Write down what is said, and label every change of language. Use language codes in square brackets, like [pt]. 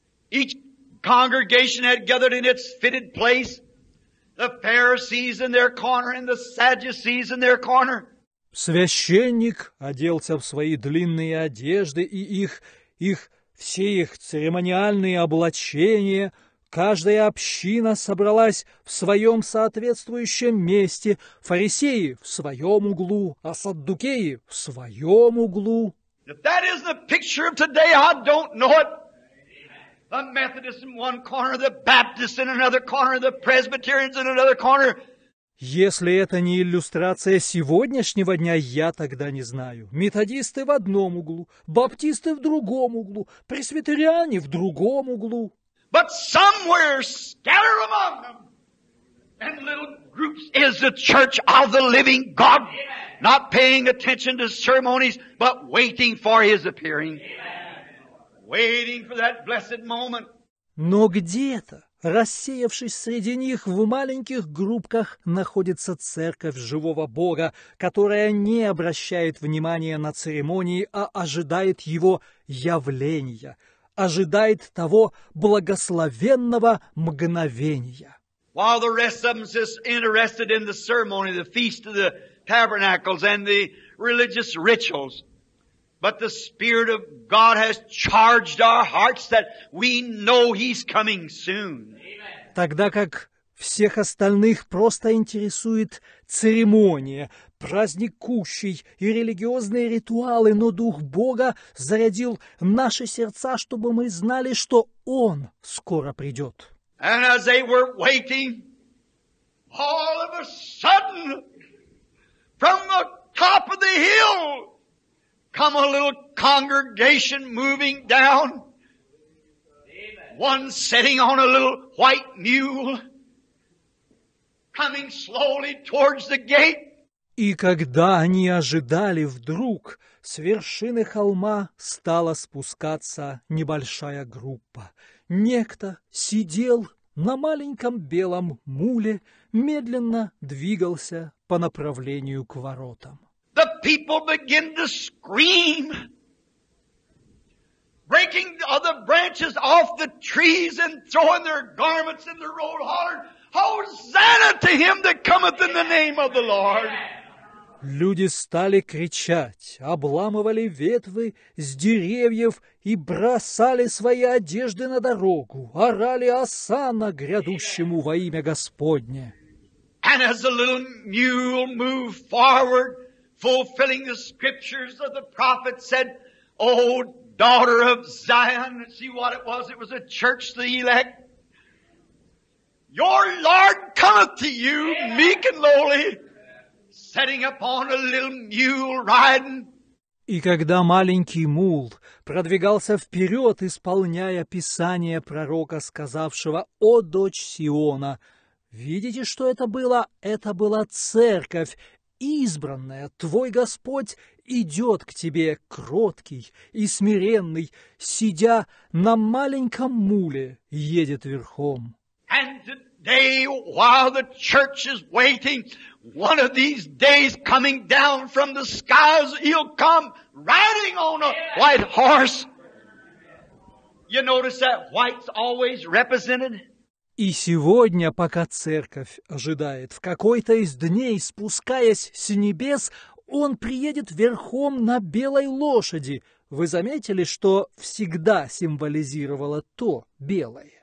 [en] Each congregation had gathered in its fitted place. The Pharisees in their corner and the Sadducees in their corner. [ru] Священник оделся в свои длинные одежды и их церемониальные облачения. Каждая община собралась в своем соответствующем месте. Фарисеи в своем углу, а саддукеи в своем углу. [en] If that is the picture of today, I don't know it. The Methodists in one corner, the Baptists in another corner, the Presbyterians in another corner. [ru] Если это не иллюстрация сегодняшнего дня, я тогда не знаю. Методисты в одном углу, баптисты в другом углу, пресвитериане в другом углу. [en] But somewhere scattered among them in little groups is the church of the living God, not paying attention to ceremonies, but waiting for his appearing. Waiting for that blessed moment. [ru] Но где-то, рассеявшись среди них, в маленьких группках находится церковь живого Бога, которая не обращает внимания на церемонии, а ожидает его явления, ожидает того благословенного мгновения. [en] While the rest of them is interested in the ceremony, the feast of the tabernacles and the religious rituals. But the Spirit of God has charged our hearts that we know He's coming soon. [ru] Тогда как всех остальных просто интересует церемония, праздник кущей и религиозные ритуалы, но Дух Бога зарядил наши сердца, чтобы мы знали, что Он скоро придет. [en] And as they were waiting, all of a sudden, from the top of the hill, come a little congregation moving down. One sitting on a little white mule, coming slowly towards the gate. [ru] И когда они ожидали, вдруг с вершины холма стала спускаться небольшая группа. Некто сидел на маленьком белом муле, медленно двигался по направлению к воротам. [en] The people begin to scream, breaking the branches off the trees and throwing their garments in the road, hollering, Hosanna to him that cometh in the name of the Lord. [ru] Люди стали кричать, обламывали ветви с деревьев и бросали свои одежды на дорогу, орали «Осанна грядущему во имя Господне». [en] And as the little mule moved forward, fulfilling the scriptures of the prophet said, O daughter of Zion, see what it was? It was a church, the elect. Your Lord cometh to you, meek and lowly, setting upon a little mule riding. [ru] И когда маленький мул продвигался вперед, исполняя писание пророка, сказавшего, «О дочь Сиона!» Видите, что это было? Это была церковь, избранное, Твой Господь идет к Тебе, кроткий и смиренный, сидя на маленьком муле, едет верхом. [en] And today, while the church is waiting, one of these days coming down from the skies, He'll come riding on a white horse. You notice that white's always represented? [ru] И сегодня, пока церковь ожидает, в какой-то из дней, спускаясь с небес, он приедет верхом на белой лошади. Вы заметили, что всегда символизировало то белое?